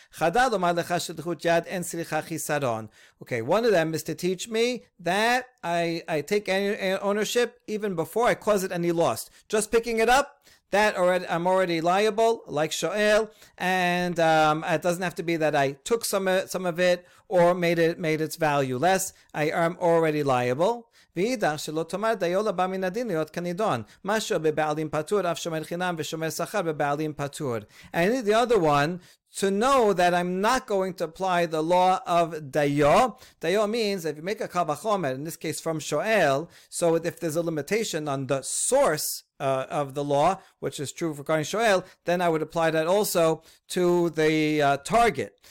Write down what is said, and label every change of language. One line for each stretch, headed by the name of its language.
Aramaic: Chada lomar lecha shelichut yad en sricha chisaron.
English: Okay, one of them is to teach me that I take any ownership even before I cause it any loss. Just picking it up, that already, I'm already liable, like Shoel, and it doesn't have to be that I took some of it or made its value less. I am already liable.
Hebrew: ואידך שלא תאמר דיו לבא מן הדין להיות כנידון. משהו בבעלים פטור, אף שומר חינם ושומר שכר בבעלים פטור.
English: And the other one, to know that I'm not going to apply the law of dayo. Dayo means if you make a kavachomer, in this case from Shoel, so if there's a limitation on the source of the law, which is true regarding Shoel, then I would apply that also to the target.